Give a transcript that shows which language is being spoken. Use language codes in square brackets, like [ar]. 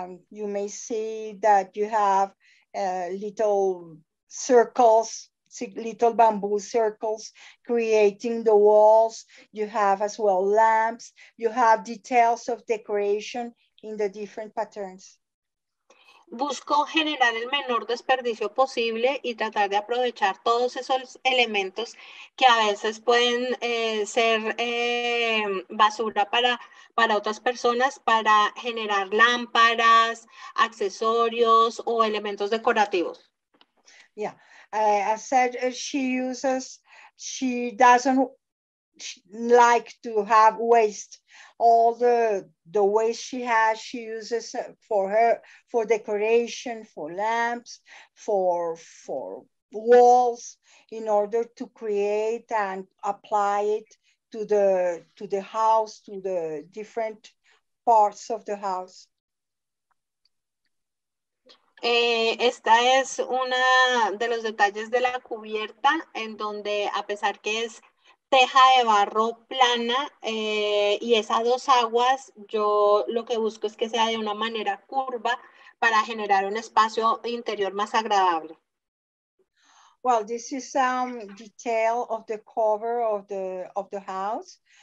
[en] You may see that you have little circles, little bamboo circles creating the walls. You have as well lamps. You have details of decoration in the different patterns. [es] Busco generar el menor desperdicio posible y tratar de aprovechar todos esos elementos que a veces pueden ser basura para otras personas para generar lámparas, accesorios o elementos decorativos. [en] Yeah, I said she uses, she doesn't like to have waste. All the waste she has, she uses for decoration, for lamps, for walls, in order to create and apply it to the house, to the different parts of the house. [es] Esta es una de los detalles de la cubierta, en donde a pesar que es teja de barro plana y esas dos aguas, yo lo que busco es que sea de una manera curva para generar un espacio interior más agradable. [en] Well, this is some detail of the cover of the house.